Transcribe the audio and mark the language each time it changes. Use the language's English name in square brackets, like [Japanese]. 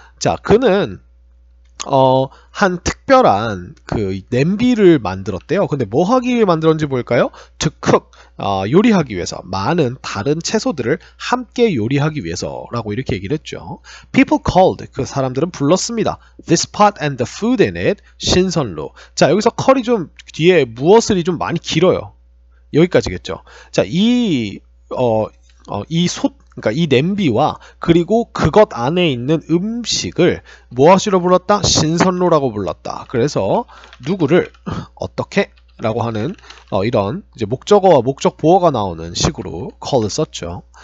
[Korean] 자, 그는 한 특별한 그 냄비를 만들었대요. 근데 뭐 하기 위해 만들었는지 볼까요? [English] To cook. [Korean] 요리하기 위해서 많은 다른 채소들을 함께 요리하기 위해서라고 이렇게 얘기를 했죠. [English] People called [Korean] 그 사람들은 불렀습니다. [English] This pot and the food in it 신선로. [Korean] 자, 여기서 컬이 좀 뒤에 무엇을이 좀 많이 길어요. 여기까지겠죠. 자, 이어어이솥 그러니까 이 냄비와 그리고 그것 안에 있는 음식을 무엇으로 불렀다? 신선로라고 불렀다. 그래서 누구를 어떻게 라고 하는 이런 이제 목적어와 목적 보어가 나오는 식으로 call을 썼죠.